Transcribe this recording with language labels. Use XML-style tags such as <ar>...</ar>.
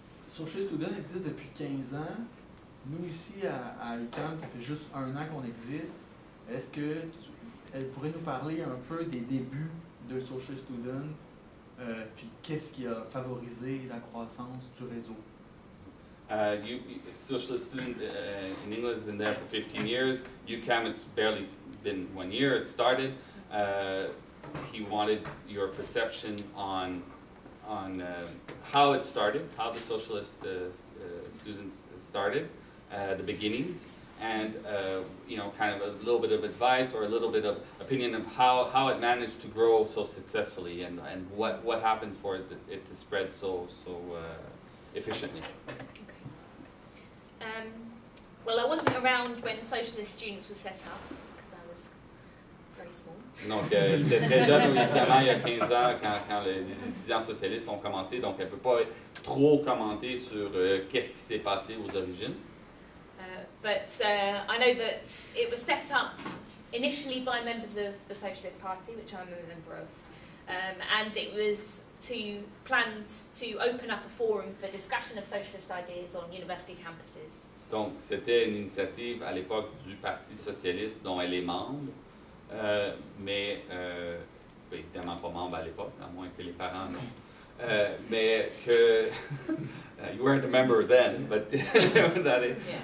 <fr>Socialist Students existe depuis 15 ans. Nous, ici, à UQAM, ça fait juste un an qu'on existe. Est-ce que elle pourrait nous parler un peu des débuts de Socialist Students? Puis qu'est-ce qui a favorisé la croissance du réseau?</fr> <en>Socialist Student in England has been there for 15 years. UQAM, it's barely been 1 year, it started. he wanted your perception on how it started, how the socialist students started, the beginnings, and you know, kind of a little bit of advice or a little bit of opinion of how it managed to grow so successfully and what happened for it to spread so efficiently. Well, I wasn't around when Socialist Students was set up because I was very small.</en> <fr>Donc, déjà, évidemment, il y a 15 ans, quand les étudiants socialistes ont commencé, donc elle peut pas trop commenter sur qu'est-ce qui s'est passé aux origines.</fr> <en>But I know that it was set up initially by members of the Socialist Party, which I'm a member of, and it was planned to open up a forum for discussion of socialist ideas on university campuses.</en> <fr>Donc, c'était une initiative à l'époque du Parti socialiste dont elle est membre, mais évidemment pas membre à l'époque, à moins que les parents non. Mais que</fr> <en>you weren't a member then, but that is.</en>